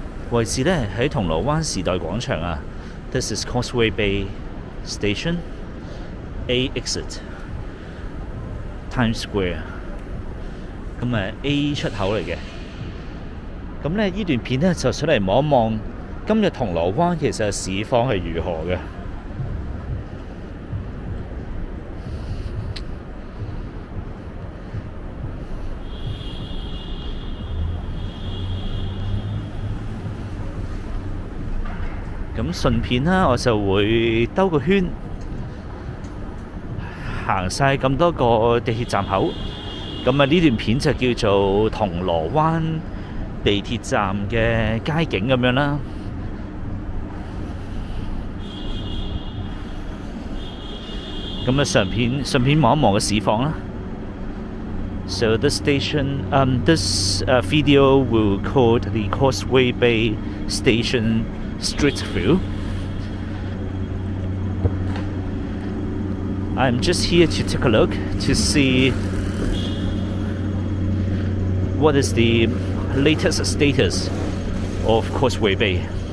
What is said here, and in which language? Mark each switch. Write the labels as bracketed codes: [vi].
[yue] 位置咧喺銅鑼灣時代廣場啊。 [en] This is Causeway Bay Station A exit Times Square。 [yue] 咁啊 A 出口嚟嘅。咁咧呢段片咧就出嚟望一望今日銅鑼灣其實市況係如何嘅。咁順便啦，我就會兜個圈，行曬咁多個地鐵站口。咁啊，呢段片就叫做銅鑼灣地鐵站嘅街景咁樣啦。咁啊，順便望一望個市況啦。 [en] So this station, this video will called the Causeway Bay Station. Street view. I'm just here to take a look to see what is the latest status of Causeway Bay.